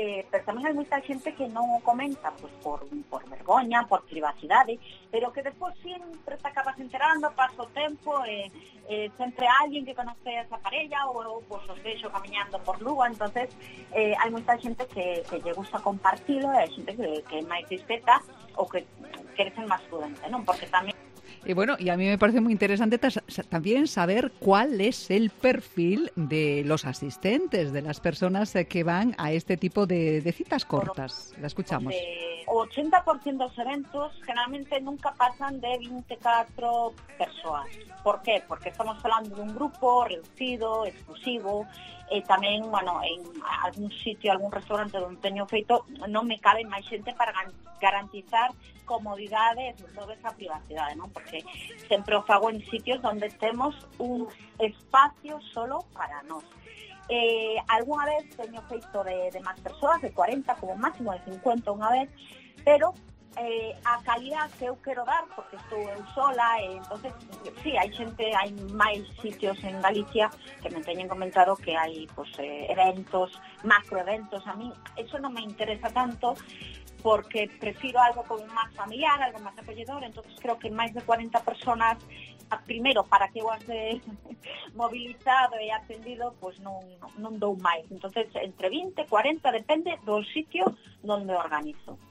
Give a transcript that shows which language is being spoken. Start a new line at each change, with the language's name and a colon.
Galician: Pero tamén hai moita xente que non o comenta, pues por vergoña, por privacidade, pero que despois sempre te acabas enterando, paso o tempo, sempre alguén que conoce a esa parella ou pues, os deixo camiñando por Lugo. Entonces hai moita xente que lle gusta compartilo, hai xente que é máis discreta ou que quere ser máis prudente, non? Porque tamén...
Spanish: Y bueno, y a mí me parece muy interesante también saber cuál es el perfil de los asistentes, de las personas que van a este tipo de citas cortas. La escuchamos. Pues 80% de los eventos generalmente nunca pasan de 24 personas. ¿Por qué? Porque estamos hablando de un grupo reducido, exclusivo. También, bueno, en algún sitio, algún restaurante donde tengo feito, no me cabe más gente para garantizar comodidades, sobre esa privacidad, ¿no? Porque siempre os hago en sitios donde tenemos un espacio solo para nos. Alguna vez tengo feito de más personas, de 40 como máximo, de 50 una vez,
Galician: pero a calidad que eu quero dar, porque estou eu sola, entonces, sí, hai xente, hai máis sitios en Galicia que me teñen comentado que hai pues, eventos, macroeventos. A mí eso non me interesa tanto, porque prefiro algo como máis familiar, algo máis acolledor. Entonces creo que máis de 40 personas, primeiro, para que eu as de mobilizado e atendido, pues non dou máis. Entonces entre 20 e 40, depende do sitio donde organizo.